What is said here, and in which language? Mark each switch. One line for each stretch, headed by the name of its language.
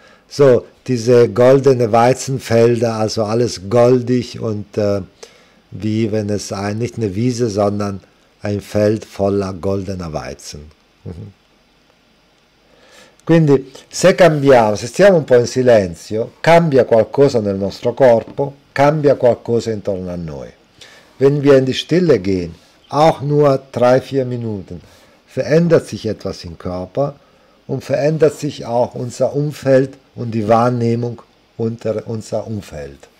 German: So, diese goldene Weizenfelder, also alles goldig und wie wenn es ein, nicht eine Wiese, sondern ein Feld voller goldener Weizen.
Italian: Quindi, se cambiamo, se stiamo un po' in silenzio, cambia qualcosa nel nostro corpo, cambia qualcosa intorno a noi.
German: Wenn wir in die Stille gehen, auch nur 3-4 Minuten, verändert sich etwas im Körper und verändert sich auch unser Umfeld und die Wahrnehmung unter unser Umfeld.